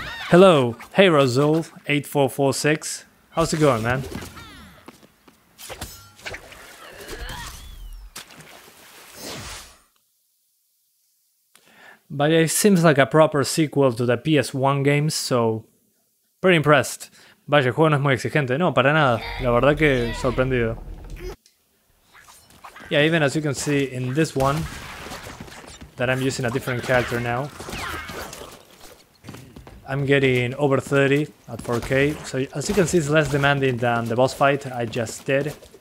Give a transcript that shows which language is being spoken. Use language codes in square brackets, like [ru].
[en] Hello, hey Razul, 8446. How's it going, man? But it seems like a proper sequel to the PS1 games, so pretty impressed. [es] Vaya, el juego no es muy exigente, no, para nada. La verdad que sorprendido. [en] Yeah, even as you can see in this one, that I'm using a different character now. I'm getting over 30 at 4K, so as you can see, it's less demanding than the boss fight I just did.